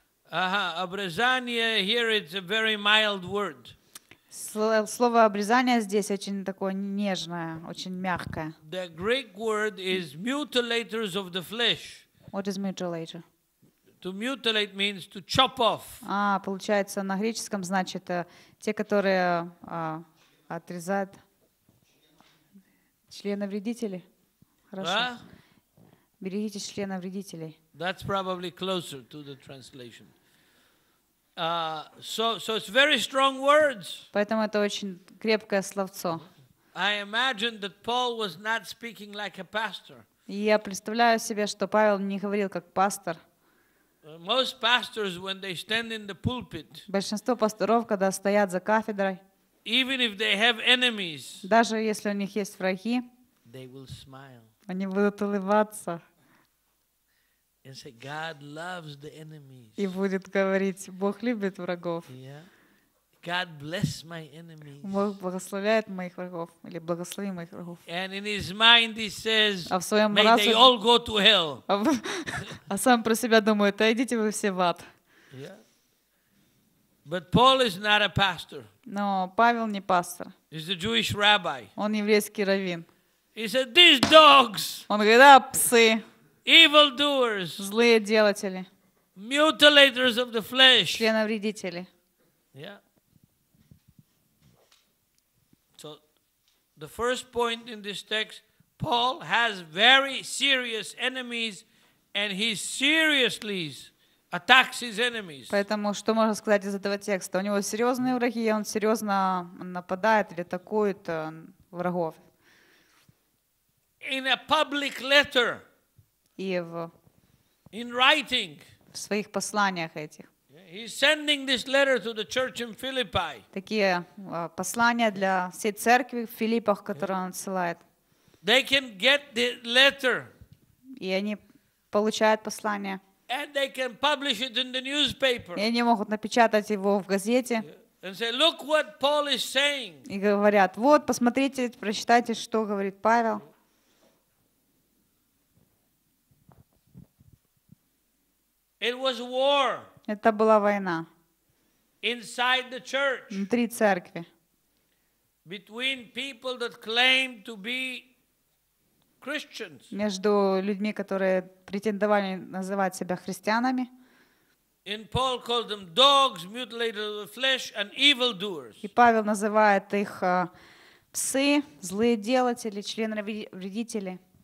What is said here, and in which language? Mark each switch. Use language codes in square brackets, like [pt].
[en] Обрезание, here it's a very mild word. [ru] Слово обрезание здесь очень такое нежное, очень мягкое. [en] The Greek word is mutilators of the flesh. What is mutilator? To mutilate means to chop off. [ru] А, получается на греческом значит те, которые отрезают членовредители. Хорошо. Берегите членовредителей. [en] That's probably closer to the translation. So it's very strong words. [ru] Поэтому это очень крепкое словцо. [en] I imagine that Paul was not speaking like a pastor. [ru] Я представляю себе, что Павел не говорил как пастор. [en] Most pastors, when they stand in the pulpit, [ru] большинство пасторов, когда стоят за кафедрой, [en] even if they have enemies, [ru] даже если у них есть враги, [en] they will smile. [ru] Они будут улыбаться. [en] And say, God loves the enemies. [ru] И будет говорить, Бог любит врагов. [en] Yeah. God bless my enemies. [ru] Бог благословляет моих врагов или благослови моих врагов. [en] And in his mind he says, [ru] а в своем [en] may [ru] разуме, [en] they all go to hell. [ru] А сам про себя думает, да идите вы все в ад. [en] Yeah. But Paul is not a pastor. [ru] Но Павел не пастор. [en] He's a Jewish rabbi. [ru] Он еврейский раввин. [en] He said, these dogs. [ru] Он говорит, а псы. [en] Evil doers, [ru] злые делатели. [en] Mutilators of the flesh, [ru] членовредители. [en] Yeah. So the first point in this text, Paul has very serious enemies, and he seriously attacks his enemies. [ru] Поэтому что можно сказать из этого текста? У него серьезные враги, и он серьезно нападает или атакует врагов. [en] In a public letter. In writing, [ru] в своих посланиях этих. [en] He's sending this letter to the church in Philippi. [ru] Такие послания для всей церкви в Филиппах, которые он отсылает. [en] They can get the letter. [ru] И они получают послание. [en] And they can publish it in the newspaper. [ru] И они могут напечатать его в газете. [en] And say, look what Paul is saying. [ru] И говорят, вот, посмотрите, прочитайте, что говорит Павел. [en] It was war. [ru] Это была война. [en] Inside the church. [ru] Внутри церкви. [en] Between people that claimed to be Christians. [ru] Между людьми, которые претендовали называть себя христианами. [en] And Paul called them dogs, mutilators of the flesh, and evildoers. [ru] И Павел называет их псы, злые делатели, членовредители.